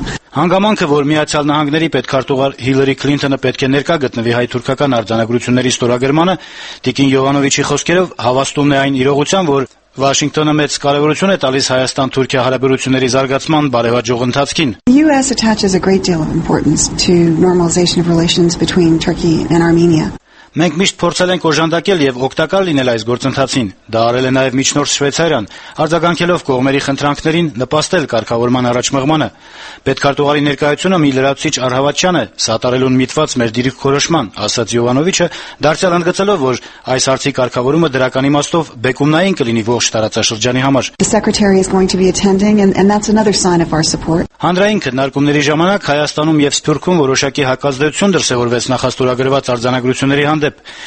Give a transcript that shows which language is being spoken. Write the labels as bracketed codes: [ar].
[hy] Հանգամանքը, որ Միացյալ Նահանգների պետքարտուղար Հիլարի Քլինթոնը պետք է ներկա գտնվի հայ-թուրքական արձանագրությունների ստորագրմանը, Տիկին Յովանովիչի խոսքերով հավաստումն է այն իրողության, որ Վաշինգտոնը մեծ կարևորություն է տալիս Հայաստան-Թուրքիա հարաբերությունների զարգացման բարեհաջող ընթացքին։ [en] The US attaches a great deal of importance to normalization of relations between Turkey and Armenia. [hy] Մենք միշտ փորձել ենք օժանդակել եւ օգտակար լինել այս գործընթացին։ Դա արել է նաեւ միջնորդ Շվեյցարիան, արձագանքելով կողմերի խնդրանքներին նպաստել կարգավորման առաջմղմանը։ Պետքարտուղարի ներկայությունը մի լրացուցիչ Արհավաչյանը սատարելուն միտված մեր դիրք խորոշման, ասաց Յովանովիչը, դարձյալ ընդգծելով, որ այս հարցի կարգավորումը դրական իմաստով բեկումնային կլինի ողջ տարածաշրջանի համար։ Հանրային քննարկումների ժամանակ Հայաստանում եւ Սփյուռքում որոշակի հակազդեցություն դրսեւորվեց նախաստորագրված արձանագրությունների հանդեպ։